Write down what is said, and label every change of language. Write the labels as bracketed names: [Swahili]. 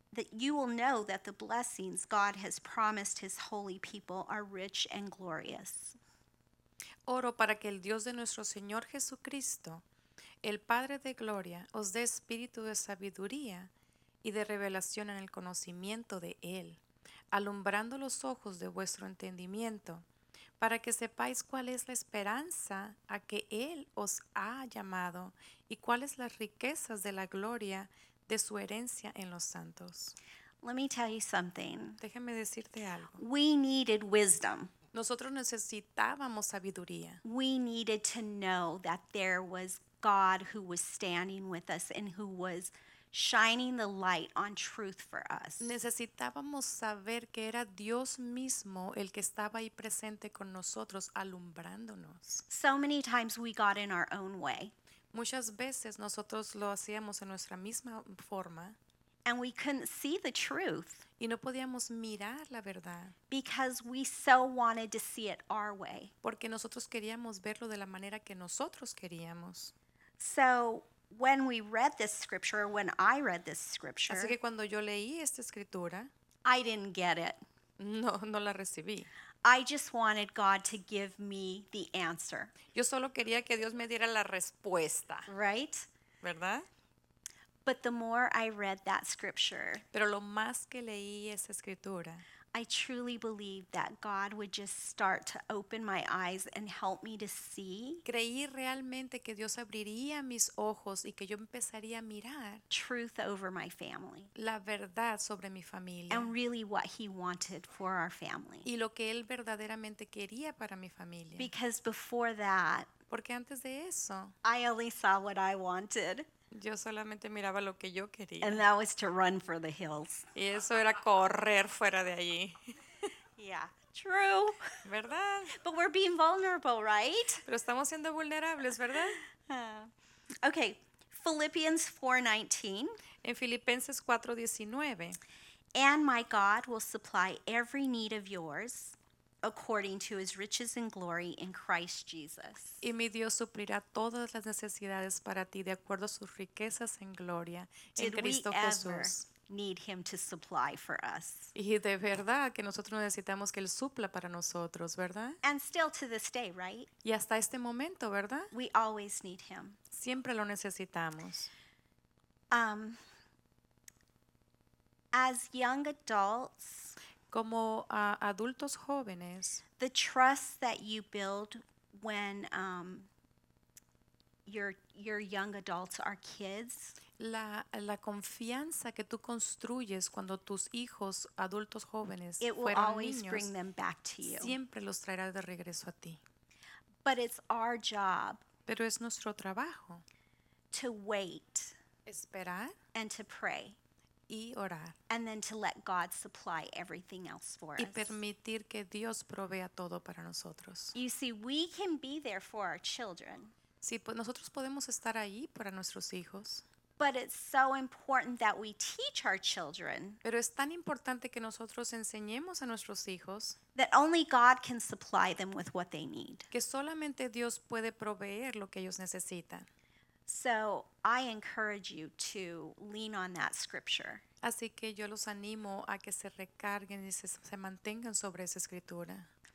[English] You will know that the blessings God has promised his holy people are rich and glorious. [Spanish] Oro para que el Dios de nuestro Señor Jesucristo, el Padre de Gloria, os dé espíritu de sabiduría y de revelación en el conocimiento de Él, alumbrando los ojos de vuestro entendimiento, para que sepáis cuál es la esperanza a que Él os ha llamado y cuáles las riquezas de la gloria de su herencia en los santos. [English] Let me tell you something. [Spanish] Déjame decirte algo. [English] We needed wisdom. [Spanish] Nosotros necesitábamos sabiduría. [English] We needed to know that there was God who was standing with us and who was shining the light on truth for us. [Spanish] Necesitábamos saber que era Dios mismo el que estaba ahí presente con nosotros alumbrándonos. [English] So many times we got in our own way. [Spanish] Muchas veces nosotros lo hacíamos en nuestra misma forma. [English] And we couldn't see the truth. [Spanish] Y no podíamos mirar la verdad. [English] Because we so wanted to see it our way. [Spanish] Porque nosotros queríamos verlo de la manera que nosotros queríamos. [English] So when we read this scripture, when I read this scripture, [Spanish] así que cuando yo leí esta escritura, [English] I didn't get it. [Spanish] No, no la recibí. [English] I just wanted God to give me the answer. [Spanish] Yo solo quería que Dios me diera la respuesta. [English] Right? [Spanish] ¿Verdad? [English] But the more I read that scripture, [Spanish] pero lo más que leí esa escritura, [English] I truly believed that God would just start to open my eyes and help me to see. [Spanish] Creí realmente que Dios abriría mis ojos y que yo empezaría a mirar [English] truth over my family. [Spanish] La verdad sobre mi familia. [English] And really what he wanted for our family. [Spanish] Y lo que él verdaderamente quería para mi familia. [English] Because before that, [Spanish] porque antes de eso, [English] I only saw what I wanted. [Spanish] Yo solamente miraba lo que yo quería. [English] And that was to run for the hills. [Spanish] Y eso era correr fuera de allí. [English] Yeah, true. [Spanish] ¿Verdad? [English] But we're being vulnerable, right? [Spanish] Pero estamos siendo vulnerables, ¿verdad? [English] Okay, Philippians 4:19. [Spanish] En Filipenses 4:19. [English] And my God will supply every need of yours according to his riches and glory in Christ Jesus. [Spanish] Y mi Dios suplirá todas las necesidades para ti de acuerdo a sus riquezas en gloria en Cristo Jesús. [English] Did we ever need him to supply for us? [Spanish] Y de verdad que nosotros necesitamos que él supla para nosotros, ¿verdad? [English] And still to this day, right? [Spanish] Y hasta este momento, ¿verdad? [English] We always need him. [Spanish] Siempre lo necesitamos. [English] As young adults, [Spanish] como adultos jóvenes, [English] the trust that you build when your young adults are kids, [Spanish] la confianza que tú construyes cuando tus hijos adultos jóvenes niños, [English] it will always bring them back to you. [Spanish] Siempre los traerá de regreso a ti. [English] But it's our job. [Spanish] Pero es nuestro trabajo. [English] To wait. [Spanish] Esperar. [English] And to pray. [Spanish] Y orar. [English] And then to let God supply everything else for us. [Spanish] Y permitir que Dios provea todo para nosotros. [English] You see, we can be there for our children. [Spanish] Sí, pues nosotros podemos estar ahí para nuestros hijos. [English] But it's so important that we teach our children. [Spanish] Pero es tan importante que nosotros enseñemos a nuestros hijos [English] that only God can supply them with what they need. [Spanish] Que solamente Dios puede proveer lo que ellos necesitan. [English] So I encourage you to lean on that scripture. [Spanish] Así que yo los animo a que se recarguen y se mantengan sobre esa escritura.